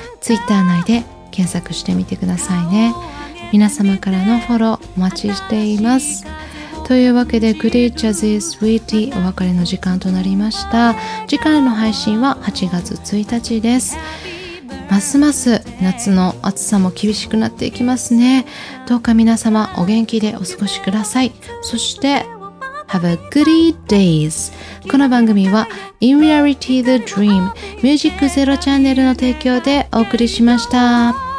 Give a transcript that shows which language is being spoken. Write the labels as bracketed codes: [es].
[ja] ツイッター内で検索してみてくださいね。皆様からのフォローお待ちしています。というわけでグリーチャーズイスウィーティー、お別れの時間となりました。次回の配信は8月1日です。ますます夏の暑さも厳しくなっていきますね。どうか皆様お元気でお過ごしください。そして [en] Have a great days。 [ja] この番組は In Reality The Dream ミュージックゼロチャンネルの提供でお送りしました。